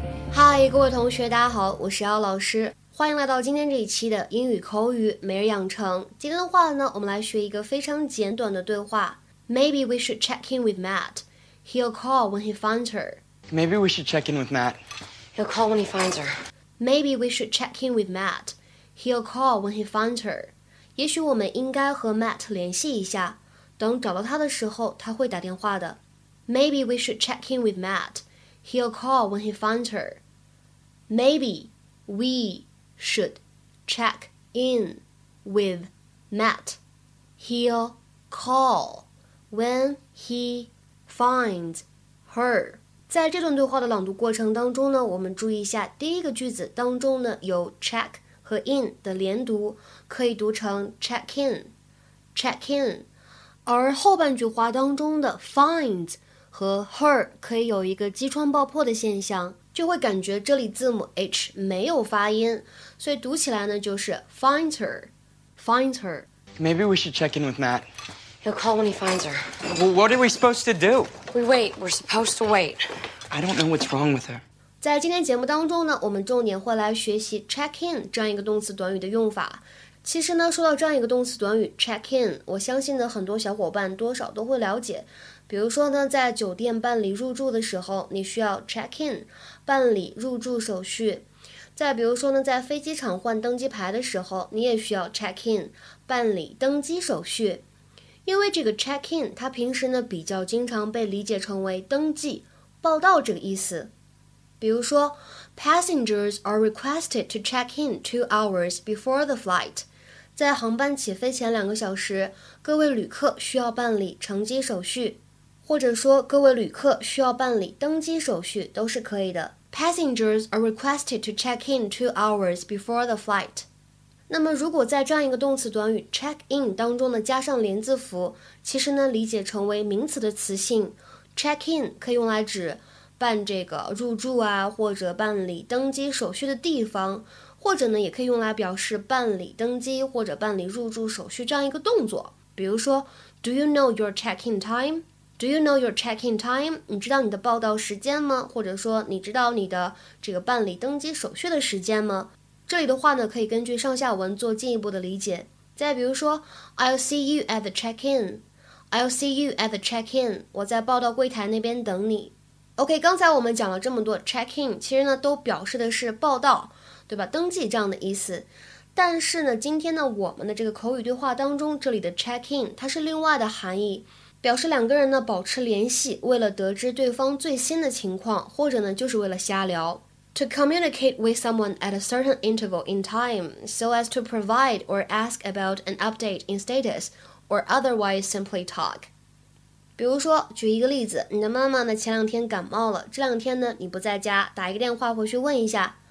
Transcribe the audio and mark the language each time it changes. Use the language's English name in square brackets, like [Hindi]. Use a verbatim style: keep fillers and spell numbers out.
[Chinese] 嗨，各位同学大家好，我是姚老师，欢迎来到今天这一期的英语口语每日养成。今天的话呢，我们来学一个非常简短的对话。 [English] Maybe we should check in with Matt. He'll call when he finds her. Maybe we should check in with Matt. He'll call when he finds her. Maybe we should check in with Matt. He'll call when he finds her. [Chinese] 也许我们应该和 Matt 联系一下，等找到他的时候，他会打电话的。 [English] Maybe we should check in with Matt. He'll call when he finds her. Maybe we should check in with Matt. He'll call when he finds her. [Chinese] 在这段对话的朗读过程当中呢，我们注意一下第一个句子当中呢有 check 和 in 的连读，可以读成 check in, check in。而后半句话当中的 finds 和 her 可以有一个击穿爆破的现象，就会感觉这里字母 H 没有发音，所以读起来呢就是 [English] find her, find her. Maybe we should check in with Matt. He'll call when he finds her. Well, what are we supposed to do? We wait. We're supposed to wait. I don't know what's wrong with her. [Chinese] 在今天节目当中呢，我们重点会来学习 check in 这样一个动词短语的用法。其实呢，说到这样一个动词短语 check in， 我相信呢，很多小伙伴多少都会了解。比如说呢，在酒店办理入住的时候，你需要 check in 办理入住手续。再比如说呢，在飞机场换登机牌的时候，你也需要 check in 办理登机手续。因为这个 check in， 它平时呢比较经常被理解成为登记、报到这个意思。比如说 [English] ，Passengers are requested to check in two hours before the flight。 [Chinese] 在航班起飞前两个小时，各位旅客需要办理乘机手续，或者说各位旅客需要办理登机手续都是可以的。 [English] Passengers are requested to check in two hours before the flight。 [Chinese] 那么如果在这样一个动词短语 check in 当中呢加上连字符，其实呢理解成为名词的词性。 check in 可以用来指办这个入住啊，或者办理登机手续的地方。或者呢，也可以用来表示办理登机或者办理入住手续这样一个动作。比如说 [English] ，Do you know your check-in time? Do you know your check-in time? [Chinese] 你知道你的报到时间吗？或者说，你知道你的这个办理登机手续的时间吗？这里的话呢，可以根据上下文做进一步的理解。再比如说 [English] ，I'll see you at the check-in. I'll see you at the check-in. [Chinese] 我在报到柜台那边等你。OK， 刚才我们讲了这么多 check-in， 其实呢，都表示的是报到。对吧，登记这样的意思。但是呢，今天呢，我们的这个口语对话当中，这里的 check in 它是另外的含义，表示两个人呢保持联系，为了得知对方最新的情况，或者呢就是为了瞎聊。 [English] To communicate with someone at a certain interval in time, so as to provide or ask about an update in status, or otherwise simply talk。 [Chinese] 比如说，举一个例子，你的妈妈呢前两天感冒了，这两天呢你不在家，打一个电话回去问一下。